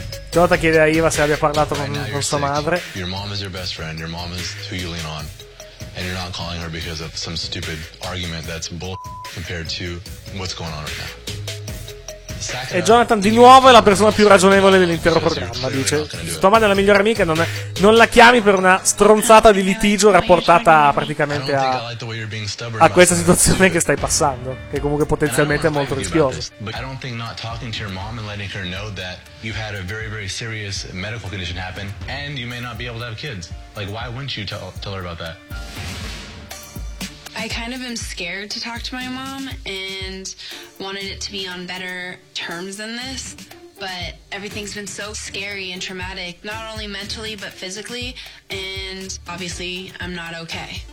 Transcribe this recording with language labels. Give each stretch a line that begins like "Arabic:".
Italian: Jota chiede a Eva se abbia parlato con sua madre.
English: Your mom is your best friend. Your mom is who you lean on. And you're not calling her because of some stupid argument that's bull compared to what's going on right now.
Italian: E Jonathan di nuovo è la persona più ragionevole dell'intero programma, dice. Tua madre è la migliore amica, non la chiami per una stronzata di litigio rapportata praticamente a questa situazione che stai passando, che comunque potenzialmente è molto rischiosa.
English: I don't think not talking to your mom and letting her know that you had a very very serious medical condition happen and you may not be able to have kids. Like, why wouldn't you tell her about that? I kind of am scared to talk to my mom and wanted it to be on better terms than this, but everything's been so scary and traumatic, not only mentally but physically, and obviously I'm not okay.